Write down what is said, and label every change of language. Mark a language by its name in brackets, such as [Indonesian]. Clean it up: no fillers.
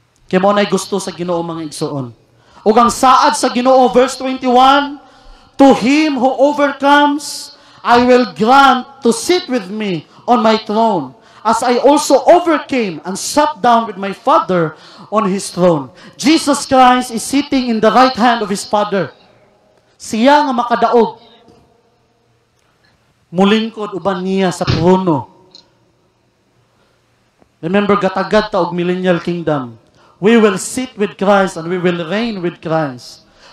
[Cebuano] Kaya mo na'y gusto sa Ginoo mga igsuon. O gang saad sa Ginoo, [English] verse 21, to him who overcomes, I will grant to sit with me on my throne, as I also overcame and sat down with my Father on his throne. Jesus Christ is sitting in the right hand of his Father. [Cebuano] Siya nga makadaog. Mulingkod uban niya sa trono. Remember, gatagad ta og millennial kingdom. [English] We will sit with Christ and we will reign with Christ.